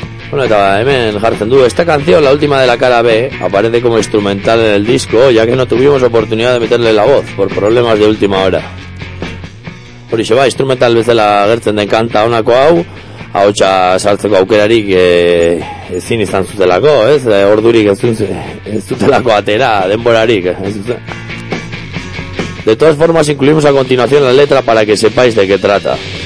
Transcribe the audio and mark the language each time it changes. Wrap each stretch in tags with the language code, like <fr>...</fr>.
<es>Bueno,</es> <eu>eta hemen jartzen du,</eu> <es>esta canción, la última de la cara B, aparece como instrumental en el disco, ya que no tuvimos oportunidad de meterle la voz, por problemas de última hora.</es> <eu>Horixe, ba, instrumental bezala agertzen den kanta honako hau, ahotsa sartzeko aukerarik ezin izan zutelako, ez? Ordurik ez zutelako atera, denborarik, ez zutzen.</eu> <es>De todas formas, incluimos a continuación la letra para que sepáis de qué trata.</es>